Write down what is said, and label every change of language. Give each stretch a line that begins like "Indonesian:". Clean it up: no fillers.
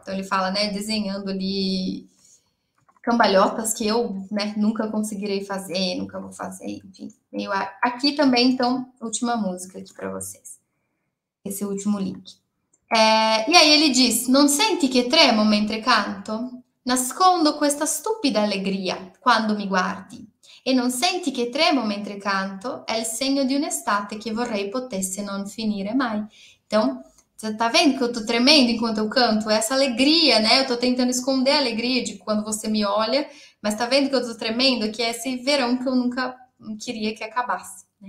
Portuguese: Então, ele fala, né, desenhando ali cambalhotas que eu, né, nunca conseguirei fazer, nunca vou fazer, enfim. Meio aqui também, então, última música aqui para vocês. Esse último link.
Italian: E aí ele diz: Non senti che tremo mentre canto? Nascondo questa stupida allegria quando mi guardi. E non senti che tremo mentre canto? È il segno di un'estate che vorrei potesse non finire mai.
Portuguese: Então, você tá vendo que eu tô tremendo enquanto eu canto? Essa alegria, né? Eu tô tentando esconder a alegria de quando você me olha, mas tá vendo que eu tô tremendo? Que é esse verão que eu nunca queria que acabasse, né?